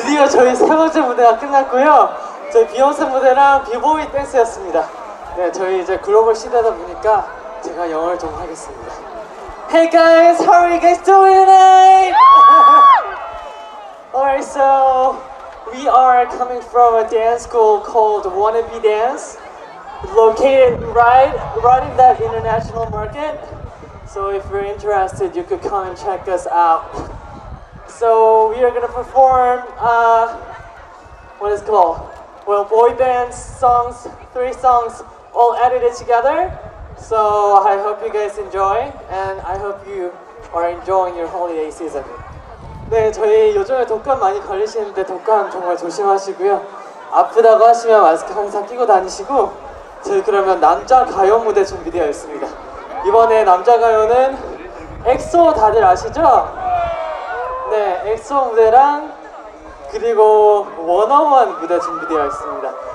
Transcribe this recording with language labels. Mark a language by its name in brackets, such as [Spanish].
[Korean] 저희 세 번째 무대가 끝났고요. 저희 비욘세 무대랑 비보이 댄스였습니다. 네, 저희 이제 글로벌 시대다 보니까 제가 영어를 좀 하겠습니다. [English] Hey guys, how are you guys doing tonight? Alright, so we are coming from a dance school called Wannabe Dance, located right in that international market. So if you're interested, you could come and check us out. So we are going to perform what is it called? Well, boy band songs, three songs all edited together. So I hope you guys enjoy and I hope you are enjoying your holiday season. [Korean] 네, 저희 요즘에 독감 많이 걸리시는데 독감 정말 조심하시고요. 아프다고 하시면 마스크 항상 끼고 다니시고 저희 그러면 남자 가요 무대 준비되어 있습니다. 이번에 남자 가요는 엑소 다들 아시죠? 네, 엑소 무대랑 그리고 워너원 무대 준비되어 있습니다.